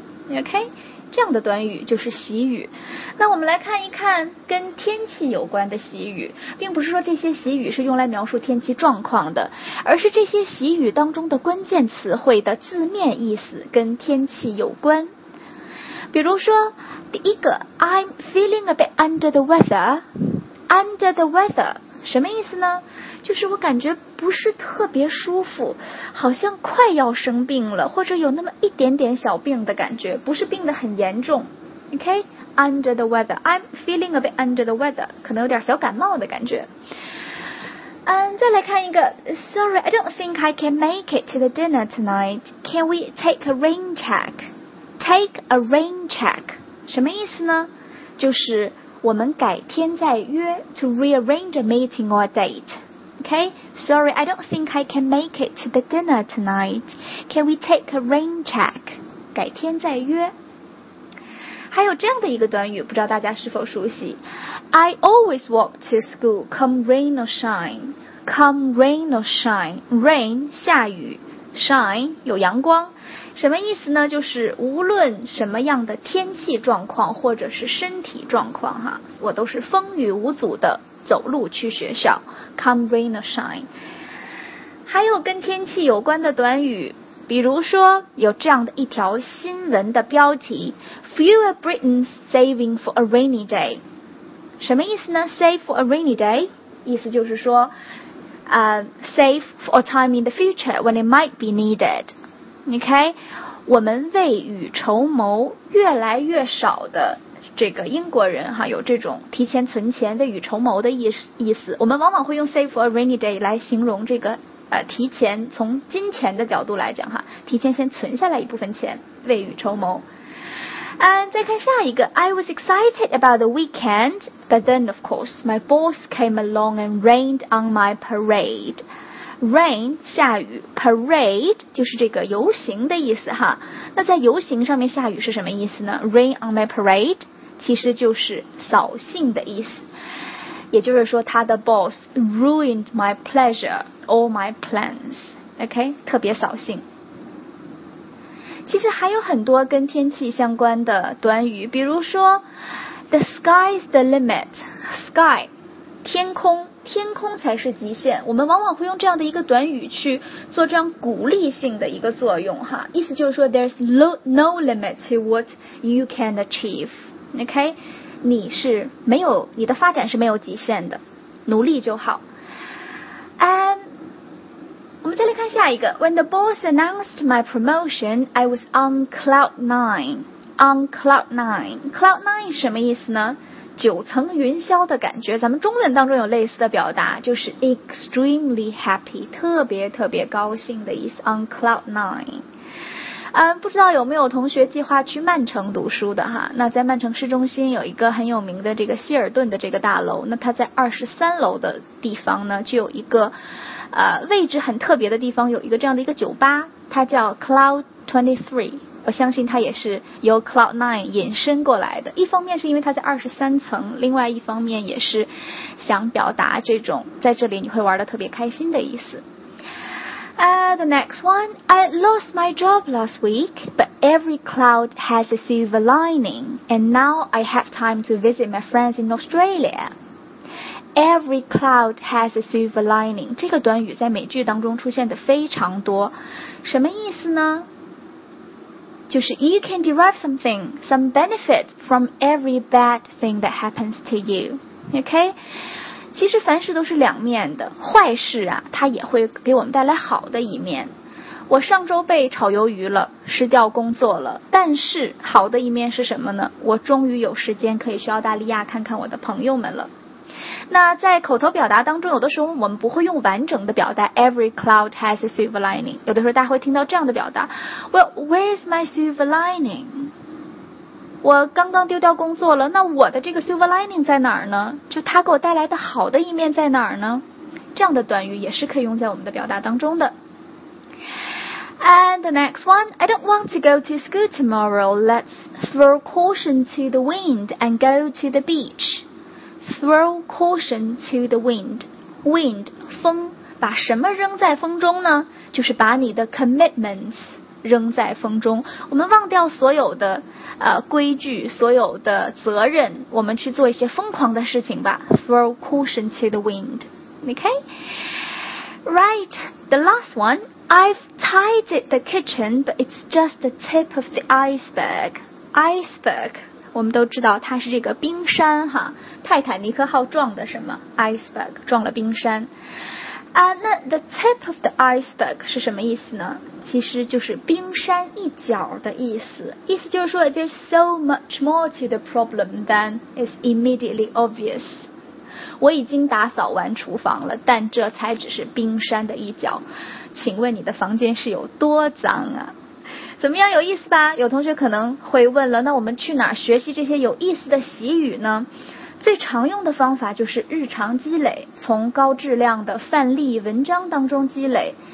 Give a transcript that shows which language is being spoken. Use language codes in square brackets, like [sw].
[zh] OK，这样的短语就是习语。那我们来看一看跟天气有关的习语，并不是说这些习语是用来描述天气状况的，而是这些习语当中的关键词汇的字面意思跟天气有关。 [en] 比如说第一个， I'm feeling a bit under the weather， under the weather [zh] 什么意思呢？就是我感觉不是特别舒服，好像快要生病了，或者有那么一点点小病的感觉，不是病得很严重。 [en] OK, under the weather, I'm feeling a bit under the weather, [zh] 可能有点小感冒的感觉。再来看一个 [en] Sorry, I don't think I can make it to the dinner tonight. Can we take a rain check? Take a rain check, [zh] 什么意思呢？就是我们改天再约 [en] to rearrange a meeting or a date. OK, Sorry, I don't think I can make it to the dinner tonight. Can we take a rain check? [zh] 改天再约。还有这样的一个短语，不知道大家是否熟悉。 [en] I always walk to school, come rain or shine. Come rain or shine. Rain, [zh] 下雨。 [en] Shine, [zh] 有阳光。什么意思呢？就是无论什么样的天气状况或者是身体状况哈，我都是风雨无阻的走路去学校。 [en] Come rain or shine. [zh] 还有跟天气有关的短语，比如说有这样的一条新闻的标题 [en] Fewer Britons saving for a rainy day. [zh] 什么意思呢？ [en] Save for a rainy day. [zh] 意思就是说 [en] save for a time in the future when it might be needed. [zh] OK, 我们未雨绸缪，越来越少的这个英国人哈，有这种提前存钱未雨绸缪的意思。我们往往会用 [en] save for a rainy day [zh] 来形容这个提前，从金钱的角度来讲哈，提前先存下来一部分钱未雨绸缪。再看下一个 [en] I was excited about the weekend, but then of course my boss came along and rained on my parade. [zh] Rain, 下雨 parade, 就是这个游行的意思哈。那在游行上面下雨是什么意思呢？ [en] Rain on my parade, [zh] 其实就是扫兴的意思。也就是说他的 [en] boss ruined my pleasure, all my plans. [zh] OK, 特别扫兴。其实还有很多跟天气相关的短语，比如说 [en] The sky's the limit. [zh] Sky, 天空，天空才是极限。我们往往会用这样的一个短语去做这样鼓励性的一个作用哈，意思就是说 [en] There's no limit to what you can achieve. [zh] OK, 你是没有，你的发展是没有极限的，努力就好。我们再来看下一个 [en] When the boss announced my promotion, I was on cloud nine. On cloud nine. [zh] Cloud nine 什么意思呢？九层云霄的感觉。咱们中文当中有类似的表达，就是 [en] extremely happy, [zh] 特别特别高兴的意思。 [en] On cloud nine. [zh] 不知道有没有同学计划去曼城读书的哈？那在曼城市中心有一个很有名的这个希尔顿的这个大楼，那它在23楼的地方呢，就有一个位置很特别的地方，有一个这样的一个酒吧，它叫 Cloud 23, 我相信它也是由 Cloud 9引申过来的。一方面是因为它在23层，另外一方面也是想表达这种在这里你会玩得特别开心的意思。 [en] The next one, I lost my job last week, but every cloud has a silver lining, and now I have time to visit my friends in Australia. Every cloud has a silver lining. [zh] 这个短语在美剧当中出现的非常多。什么意思呢？ [en] 就是 you can derive something, some benefit from every bad thing that happens to you. OK? [zh] 其实凡事都是两面的，坏事啊，它也会给我们带来好的一面。我上周被炒鱿鱼了，失掉工作了，但是好的一面是什么呢？我终于有时间可以去澳大利亚看看我的朋友们了。那在口头表达当中，有的时候我们不会用完整的表达 [en] Every cloud has a silver lining. 有的时候大家会听到这样的表达 Well, where's my silver lining? [zh] 我刚刚丢掉工作了，那我的这个 silver lining 在哪儿呢？就它给我带来的好的一面在哪儿呢？这样的短语也是可以用在我们的表达当中的。 [en] And the next one, I don't want to go to school tomorrow. Let's throw caution to the wind and go to the beach. Throw caution to the wind. [zh] Wind, 风，把什么扔在风中呢？就是把你的 commitments 扔在风中。我们忘掉所有的规矩，所有的责任，我们去做一些疯狂的事情吧。 [en] Throw caution to the wind. Okay? Right, the last one. I've tidied the kitchen, but it's just the tip of the iceberg. Iceberg. [zh] 我们都知道它是这个冰山哈，泰坦尼克号撞的什么 iceberg， 撞了冰山啊。那 [en] the tip of the iceberg [zh] 是什么意思呢？ 其实就是冰山一角的意思，意思就是说 [en] there's so much more to the problem than is immediately obvious。 [zh] 我已经打扫完厨房了，但这才只是冰山的一角，请问你的房间是有多脏啊？怎么样，有意思吧？有同学可能会问了，那我们去哪学习这些有意思的习语呢？最常用的方法就是日常积累，从高质量的范例文章当中积累。